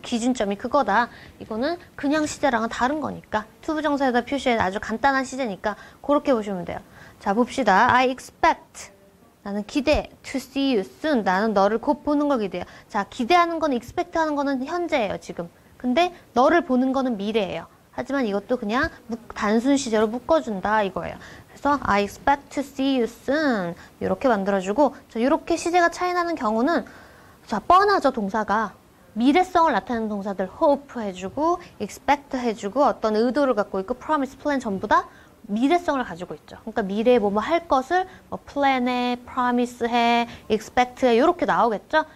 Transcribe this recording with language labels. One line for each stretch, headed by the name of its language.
Korean: 기준점이 그거다. 이거는 그냥 시제랑은 다른 거니까 투부정사에다 표시해 아주 간단한 시제니까 그렇게 보시면 돼요. 자, 봅시다.
English: I expect.
Korean: 나는 기대.
English: To see you soon.
Korean: 나는 너를 곧 보는 걸 기대해요. 자, 기대하는 거는 expect 하는 거는 현재예요, 지금. 근데 너를 보는 거는 미래예요. 하지만 이것도 그냥 단순 시제로 묶어준다, 이거예요. 그래서
English: I expect to see you soon.
Korean: 이렇게 만들어주고, 자, 이렇게 시제가 차이 나는 경우는, 자, 뻔하죠, 동사가. 미래성을 나타내는 동사들, hope 해주고, expect 해주고, 어떤 의도를 갖고 있고, promise, plan 전부 다 미래성을 가지고 있죠. 그러니까 미래에 뭐뭐 할 것을 뭐 plan해, promise해, expect해 이렇게 나오겠죠.